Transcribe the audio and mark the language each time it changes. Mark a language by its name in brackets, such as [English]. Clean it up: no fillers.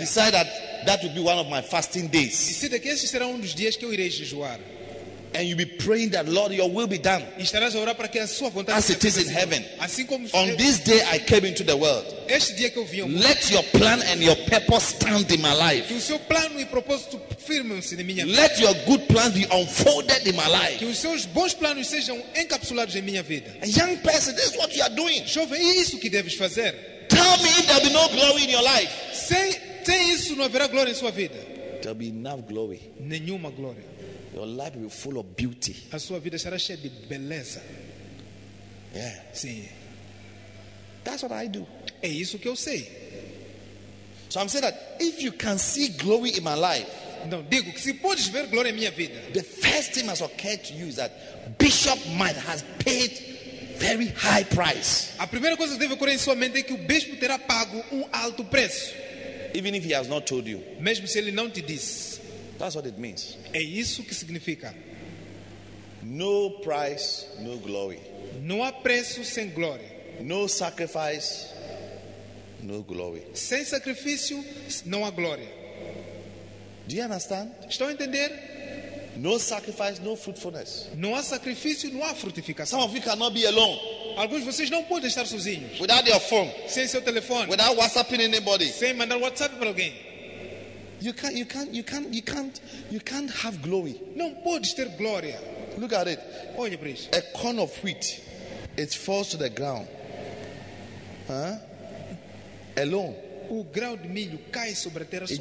[English] decide that that will be one of my fasting days. [Portuguese] Decida que esse será dos dias que eu irei jejuar. [English] And you'll be praying that Lord, your will be done. [Portuguese] E estarás a orar para que a sua vontade [English] as it is in heaven. [Portuguese] Assim como [English] on this day I came into the world. Let your plan and your purpose stand in my life. [Portuguese] Que o seu plano e propósito firme-se na minha vida. [English] Let your good plans be unfolded in my life. [Portuguese] Que os seus bons planos sejam encapsulados em minha vida. [English] A young person, this is what you are doing. [Portuguese] Jovem, é isso que deves fazer. [English] Tell me if there'll be no glory in your life. [Portuguese] Sem isso não haverá glória em sua vida. [English] There'll be enough glory. [Portuguese] Nenhuma glória. [English] Your life will be full of beauty. [Portuguese] A sua vida será cheia de beleza. [English] Yeah. [Portuguese] Sim. [English] That's what I do. [Portuguese] É isso que eu sei. [English] So I'm saying that if you can see glory in my life, [Portuguese] não, digo que se podes ver glória em minha vida, [English] the first thing must occur to you is that Bishop Mike has paid very high price. [Portuguese] A primeira coisa que deve ocorrer em sua mente é que o bispo terá pago alto preço. [English] Even if he has not told you. [Portuguese] Mesmo se ele não te disse. [English] That's what it means. [Portuguese] É isso que significa. [English] No price, no glory. [Portuguese] Não há preço sem glória. [English] No sacrifice, no glory. [Portuguese] Sem sacrifício, não há glória. [English] Do you understand? [Portuguese] Estão a entender? [English] No sacrifice, no fruitfulness. [Portuguese] Não há sacrifício, não há frutificação. [English] Some of you cannot be alone. [Portuguese] Alguns de vocês não podem estar sozinhos. [English] Without your phone. [Portuguese] Sem seu telefone. [English] Without WhatsApping anybody. [Portuguese] Sem mandar WhatsApp para alguém. [English] You can't have glory. [Portuguese] Não podes ter glória. [English] Look at it. [Portuguese] Olhe para isso. [English] A corn of wheat, it falls to the ground. Huh? Alone. [Portuguese] O grão de milho cai sobre a terra sozinho.